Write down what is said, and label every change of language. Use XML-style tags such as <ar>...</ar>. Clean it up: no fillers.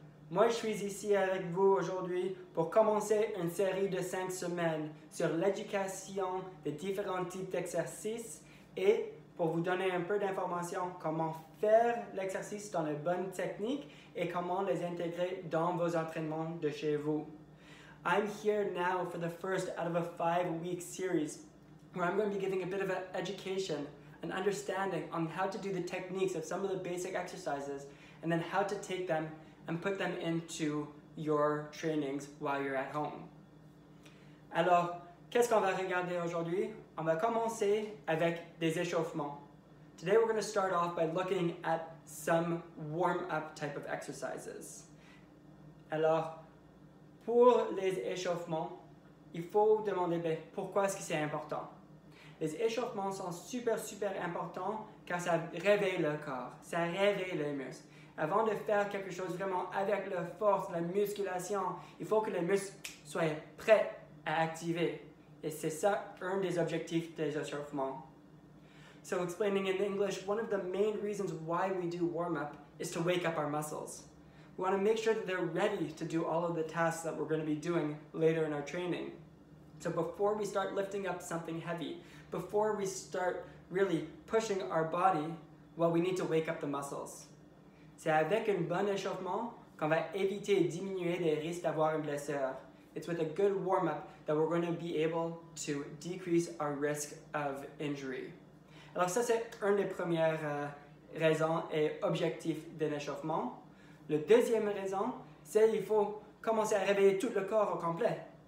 <fr>Moi, je suis ici avec vous aujourd'hui pour commencer une série de 5 semaines sur l'éducation des différents types d'exercices et pour vous donner un peu d'informations comment faire l'exercice dans les bonnes techniques et comment les intégrer dans vos entraînements de chez vous.</fr> <en>I'm here now for the first out of a 5-week series where I'm going to be giving a bit of an education, an understanding on how to do the techniques of some of the basic exercises and then how to take them and put them into your trainings while you're at home.</en> <fr>Alors, qu'est-ce qu'on va regarder aujourd'hui? On va commencer avec des échauffements.</fr> <en>Today we're going to start off by looking at some warm-up type of exercises.</en> <fr>Alors, pour les échauffements, il faut demander ben, pourquoi est-ce que c'est important. Les échauffements sont super, super importants car ça réveille le corps, ça réveille les muscles. Avant de faire quelque chose vraiment avec la force, la musculation, il faut que les muscles soient prêts à activer. Et c'est ça un des objectifs des échauffements.</fr> <en>So explaining in English, one of the main reasons why we do warm-up is to wake up our muscles. We want to make sure that they're ready to do all of the tasks that we're going to be doing later in our training. So before we start lifting up something heavy, before we start really pushing our body, well, we need to wake up the muscles.</en> <fr>C'est avec un bon échauffement qu'on va éviter et diminuer les risques d'avoir une blessure.</fr> <en>It's with a good warm-up that we're going to be able to decrease our risk of injury.</en> <fr>Alors ça, c'est une des premières raisons et objectifs d'un échauffement. La deuxième raison, c'est qu'il faut commencer à réveiller tout le corps au complet.</fr>